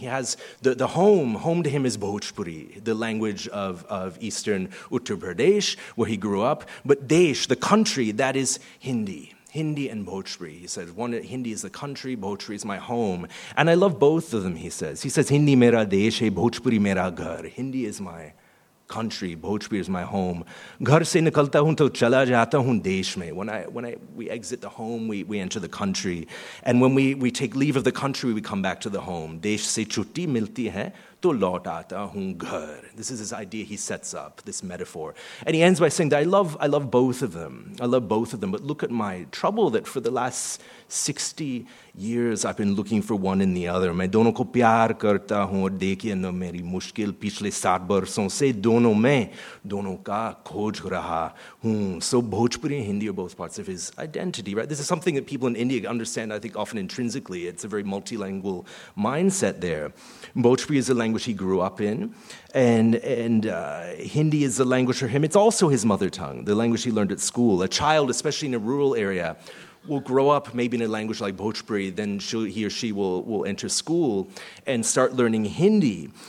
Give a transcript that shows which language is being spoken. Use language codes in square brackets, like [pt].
[en] He has the home to him is Bhojpuri, the language of eastern Uttar Pradesh, where he grew up. But Desh, the country, that is Hindi. Hindi and Bhojpuri, he says. One, Hindi is the country, Bhojpuri is my home. And I love both of them, he says. He says, [hi] Hindi मेरा देश है, भोजपुरी मेरा घर. [en] Hindi is my country, Bhojpuri is my home. [hi] घर से निकलता हूँ तो चला जाता हूँ देश में. [en] When we exit the home, we enter the country. And when we take leave of the country, we come back to the home. [hi] देश से छुट्टी मिलती है, तो लौट आता हूँ घर. [en] This is his idea he sets up, this metaphor. And he ends by saying that I love both of them. I love both of them. But look at my trouble that for the last 60 years I've been looking for one and the other. [hi] मैं दोनों को प्यार करता हूँ और देखिए ना मेरी मुश्किल पिछले 7 बरसों से दोनों में दोनों का खोज रहा हूँ. [en] So Bhojpuri and Hindi are both parts of his identity, right? This is something that people in India understand, I think, often intrinsically. It's a very multilingual mindset there. Bhojpuri is a language he grew up in, and Hindi is the language for him. It's also his mother tongue, the language he learned at school. A child, especially in a rural area, will grow up maybe in a language like Bhojpuri, then he or she will enter school and start learning Hindi.